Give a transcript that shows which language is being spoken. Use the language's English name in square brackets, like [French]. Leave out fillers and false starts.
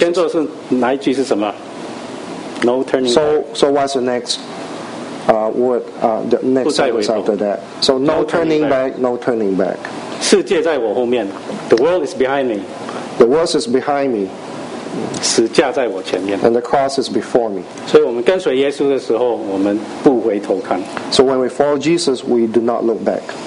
[Chinese] 跟着是哪一句是什么? [English] No turning back. So what's the next word, the next sentence after that. So no turning back, no turning back. [Chinese] 世界在我后面, [English] the world is behind me. The world is behind me. [Chinese] 死架在我前面, [English] and the cross is before me. [Chinese] 所以我们跟随耶稣的时候, 我们不回头看, [English] so when we follow Jesus, we do not look back.